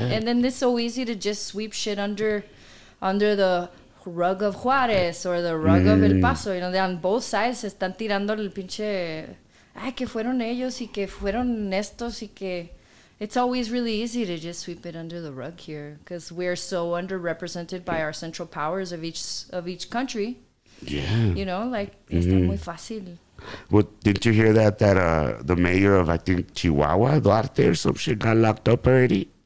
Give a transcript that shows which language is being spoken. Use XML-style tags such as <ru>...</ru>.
<en>And then it's so easy to just sweep shit under the rug of Juarez or the rug of El Paso. You know, they're on both sides.</en> <es>Se están tirando el pinche... Ay, que fueron ellos y que fueron estos y que...</es> <en>It's always really easy to just sweep it under the rug here because we're so underrepresented by our central powers of each country. Yeah. You know, like, it's not</en> <es>muy fácil.</es> <en>Well, didn't you hear that the mayor of, I think, Chihuahua, Duarte or some shit, got locked up already?</en>